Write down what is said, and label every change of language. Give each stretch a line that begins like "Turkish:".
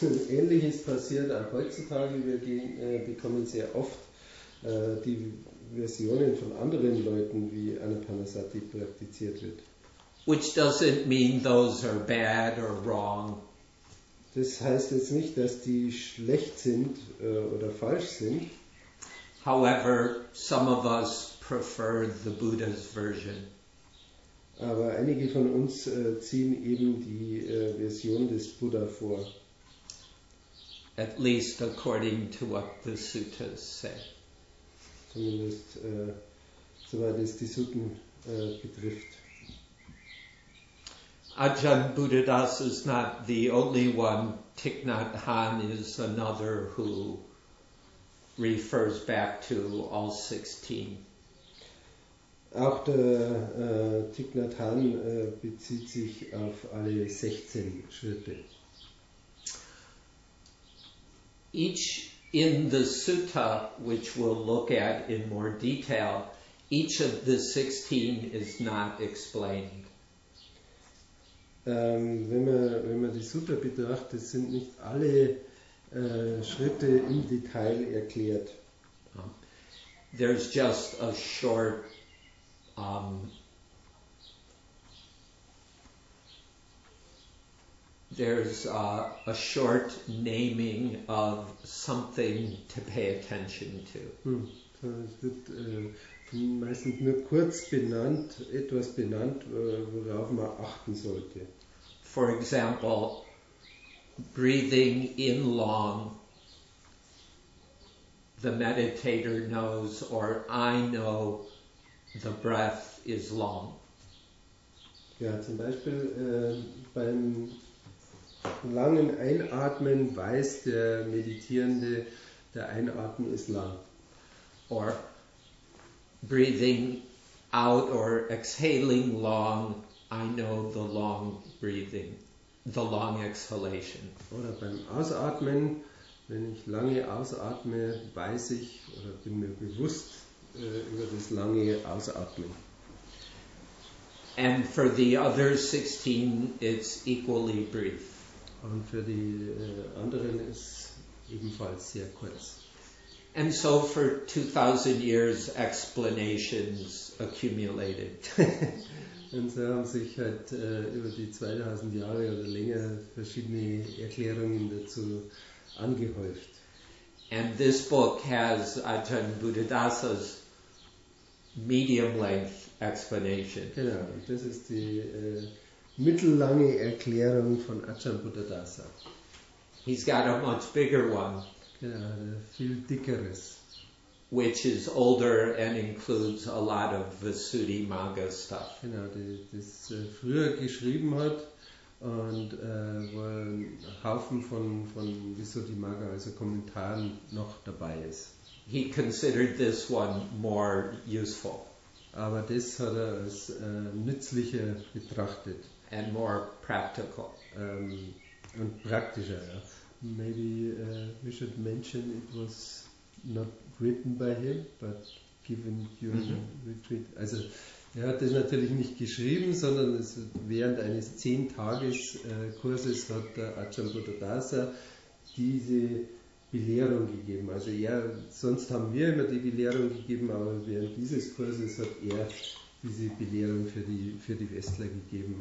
German: Ähnliches passiert auch heutzutage. Wir bekommen sehr oft die Versionen von anderen Leuten, wie Anapanasati praktiziert wird.
English: Which doesn't mean those are bad or wrong.
German: Das heißt jetzt nicht, dass die schlecht sind oder falsch sind.
English: However, some of us prefer the Buddha's version.
German: Aber einige von uns ziehen eben die Version des Buddha vor.
English: At least according to what the suttas say.
German: Zumindest soweit es die Sutten betrifft.
English: Ajahn Buddhadas is not the only one. Thich Nhat Hanh is another who refers back to all 16.
German: Auch der Thich Nhat Hanh bezieht sich auf alle 16 Schritte.
English: Each in the sutta, which we'll look at in more detail, each of the 16 is not explained.
German: Wenn man die Sutta betrachtet, sind nicht alle Schritte im Detail erklärt.
English: There's just a short there's a short naming of something to pay attention to.
German: Es wird meistens nur kurz benannt, etwas benannt, worauf man achten sollte.
English: For example, breathing in long, the meditator knows, or I know, the breath is long.
German: Ja, zum Beispiel beim langen Einatmen weiß der Meditierende, der Einatmen ist lang.
English: Or breathing out or exhaling long, I know the long breathing, the long exhalation.
German: Oder beim Ausatmen, wenn ich lange ausatme, weiß ich oder bin mir bewusst über das lange Ausatmen.
English: And for the other 16, it's equally brief.
German: Und für die anderen ist ebenfalls sehr kurz.
English: And so for 2000 years, explanations accumulated.
German: Und so haben sich halt über die 2000 Jahre oder länger verschiedene Erklärungen dazu angehäuft.
English: And this book has Ajahn Buddhadasa's medium-length explanation.
German: Genau, das ist die mittellange Erklärung von Ajahn Buddhadasa.
English: He's got a much bigger one.
German: Genau, viel dickeres.
English: Which is older and includes a lot of Vasuddhimagga stuff.
German: Genau, das früher geschrieben hat und wo ein Haufen von Vasuddhimagga, also Kommentaren, noch dabei ist.
English: He considered this one more useful.
German: Aber das hat er als nützlicher betrachtet.
English: And more practical.
German: Und praktischer, ja.
English: Maybe we should mention it was not written by him, but given during the retreat.
German: Also, er hat das natürlich nicht geschrieben, sondern es, während eines 10-Tages-Kurses hat der Ajahn Buddhadasa diese Belehrung gegeben. Also, sonst haben wir immer die Belehrung gegeben, aber während dieses Kurses hat er diese Belehrung für die Westler gegeben.